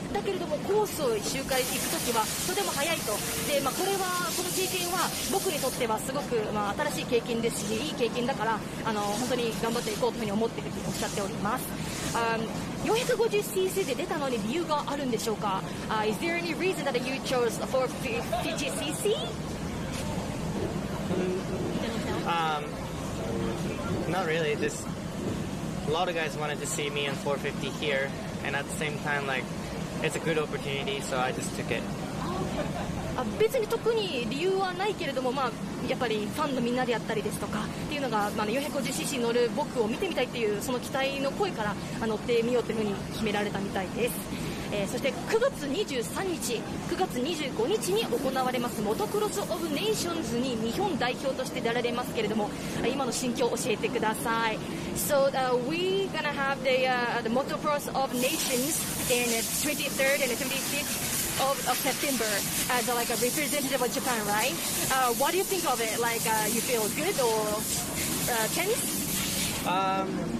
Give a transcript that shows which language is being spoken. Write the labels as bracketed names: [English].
[Japanese] だけれどもコースを周回行くときはとても速いと。で、まあ、これはこの経験は僕にとってはすごく、まあ、新しい経験ですし、いい経験だから本当に頑張っていこうというふうに思っているとおっしゃっております。 450cc で出たのに理由があるんでしょうか？ [English] Is there any reason that you chose 450cc? Not really. This a lot of guys wanted to see me in 450 here, and at the same time, like, it's a good opportunity, so I just took it. [Japanese] 別に特に理由はないけれども、まあ、やっぱりファンのみんなであったりですとかっていうのが、まあ、450cc 乗る僕を見てみたいっていうその期待の声から乗ってみようというふうに決められたみたいです。そして9月23日、9月25日に行われますモトクロスオブネーションズに日本代表として出られますけれども、今の心境を教えてください。 [English] So we're gonna have the Motocross of Nations in 23rd and 25th of September as like a representative of Japan, right? What do you think of it? Like you feel good or tense?